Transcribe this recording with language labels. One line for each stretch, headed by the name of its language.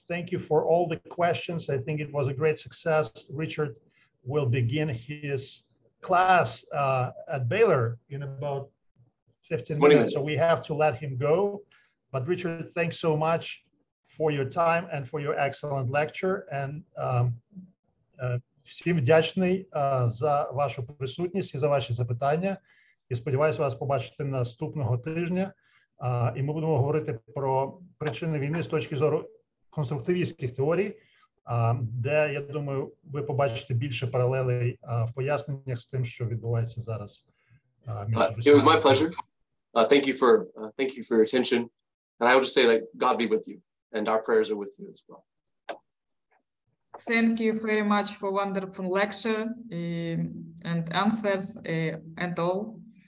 English: Thank you for all the questions. I think it was a great success. Richard will begin his class at Baylor in about 15 minutes. So we have to let him go. But Richard, thanks so much for your time and for your excellent lecture.
Ukrainian: And всім вдячний за вашу присутність і за ваші запитання. І сподіваюся вас побачити наступного тижня. І ми будемо говорити про причини війни з точки зору конструктивістських теорій, де, я думаю, ви побачите більше паралелей в поясненнях з тим, що відбувається зараз.
English: It was my pleasure. Thank you for your attention. And I would just say, like, God be with you. And our prayers are with you as well. Thank you very much for wonderful lecture and answers and all.